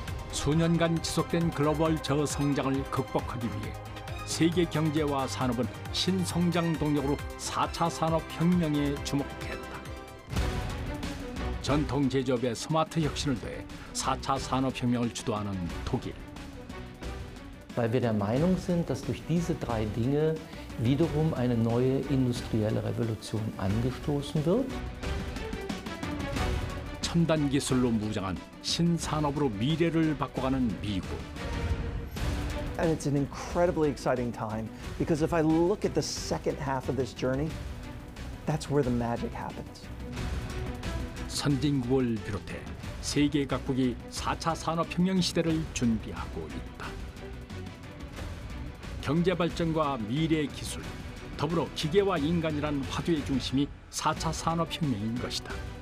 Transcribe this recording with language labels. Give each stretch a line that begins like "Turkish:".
Korean: 수년간 지속된 글로벌 저성장을 극복하기 위해 세계 경제와 산업은 신성장 동력으로 4차 산업혁명에 주목했다. 전통 제조업의 스마트 혁신을 더해 4차 산업혁명을 주도하는 독일.
German: Weil wir der Meinung sind, dass durch diese drei Dinge wiederum eine neue industrielle Revolution angestoßen wird.
Korean: 첨단 기술로 무장한 신산업으로 미래를 바꿔가는 미국.
English: And it's an incredibly exciting time because if I look at the second half of this journey, that's where the magic happens.
Korean: 선진국을 비롯해 세계 각국이 4차 산업혁명 시대를 준비하고 있다. 경제발전과 미래의 기술, 더불어 기계와 인간이란 화두의 중심이 4차 산업혁명인 것이다.